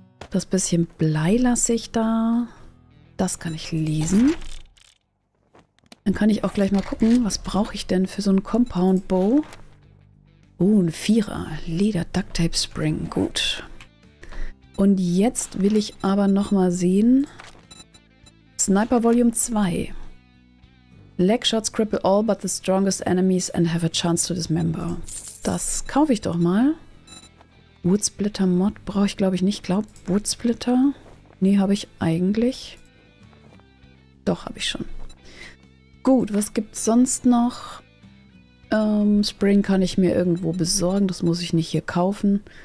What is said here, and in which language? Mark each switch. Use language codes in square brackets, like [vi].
[de] Das bisschen Blei lasse ich da. Das kann ich lesen. Dann kann ich auch gleich mal gucken, was brauche ich denn für so ein Compound Bow? Oh, ein Vierer. Leder, Duct Tape, Spring. Gut. Und jetzt will ich aber nochmal sehen. [en] Sniper Volume 2. Legshots cripple all but the strongest enemies and have a chance to dismember. [de] Das kaufe ich doch mal. Woodsplitter Mod brauche ich glaube ich nicht. Glaub Woodsplitter? Nee, habe ich eigentlich. Doch, habe ich schon. Gut, was gibt's sonst noch? Spring kann ich mir irgendwo besorgen. Das muss ich nicht hier kaufen.